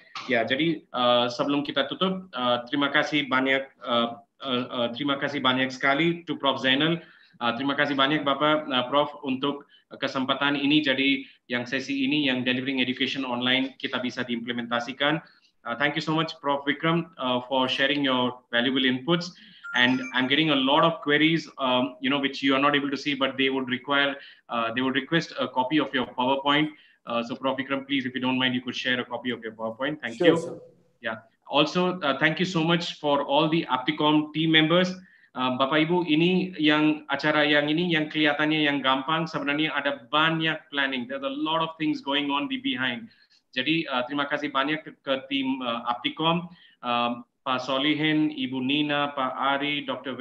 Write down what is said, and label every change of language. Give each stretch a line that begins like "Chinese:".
Indonesian: Ya, jadi sebelum kita tutup, terima kasih banyak sekali to Prof. Zainal. Terima kasih banyak Bapak Prof untuk kesempatan ini. Jadi yang sesi ini yang
English: delivering education online
Indonesian: kita bisa diimplementasikan.
English: Thank you so much Prof Vikram for sharing your valuable inputs. And I'm getting a lot of queries, you know, which you are not able to see, but they would request a copy of your PowerPoint. So Prof Vikram, please, if you don't mind, you could share a copy of your PowerPoint. Thank you. Sir. Yeah. Also, thank you so much for all the APTIKOM team members.
Indonesian: Bapak Ibu, ini yang acara yang ini yang kelihatannya yang gampang, sebenarnya ada banyak planning.
English: There's a lot of things going on behind.
Indonesian: Jadi terima kasih banyak ke tim APTIKOM, Pak Solihin, Ibu Nina, Pak Ari, Dr.